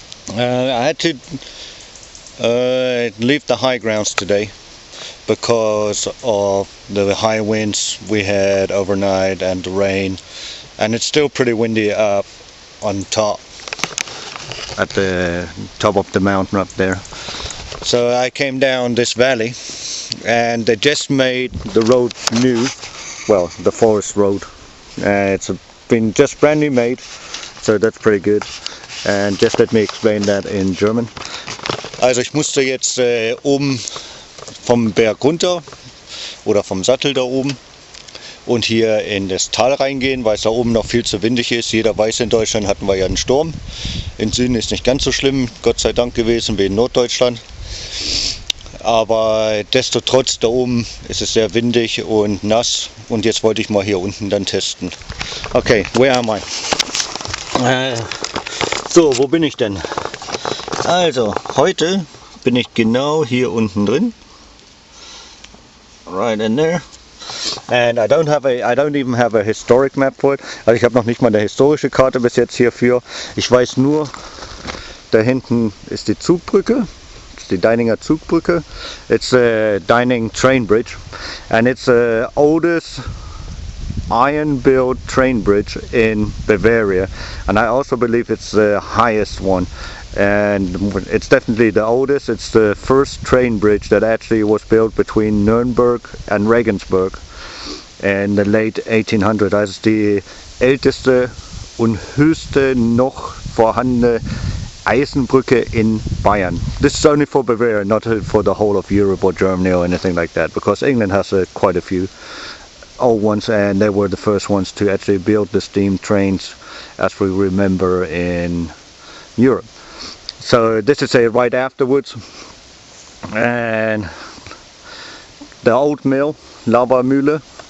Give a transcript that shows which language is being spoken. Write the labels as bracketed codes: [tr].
[en] I had to leave the high grounds today because of the high winds we had overnight and the rain, and it's still pretty windy up on top at the top of the mountain up there. So I came down this valley and they just made the road new. Well, the forest road, it's been just brand new made, so that's pretty good. And just let me explain that in German. [de] Also ich musste jetzt oben vom Berg runter oder vom Sattel da oben und hier in das Tal reingehen, weil es da oben noch viel zu windig ist. Jeder weiß, in Deutschland hatten wir ja einen Sturm. In Süden ist nicht ganz so schlimm, Gott sei Dank gewesen, wie in Norddeutschland. Aber desto trotz, da oben ist es sehr windig und nass. Und jetzt wollte ich mal hier unten dann testen. [en] Okay, where am I? [de] So, wo bin ich denn? Also, heute bin ich genau hier unten drin. [en] Right in there. And I don't even have a historic map for it. [de] Also ich habe noch nicht mal eine historische Karte bis jetzt hierfür. Ich weiß nur, da hinten ist die Zugbrücke. [en] The Deininger Zugbrücke. It's a Deining train bridge and it's the oldest iron built train bridge in Bavaria, and I also believe it's the highest one, and it's definitely the oldest. It's the first train bridge that actually was built between Nuremberg and Regensburg in the late 1800s. [de] Das ist die älteste und höchste noch vorhandene Eisenbrücke in Bayern. [en] This is only for Bavaria, not for the whole of Europe or Germany or anything like that, because England has quite a few old ones, and they were the first ones to actually build the steam trains as we remember in Europe. So this is right afterwards, and the old mill, Lava Mühle.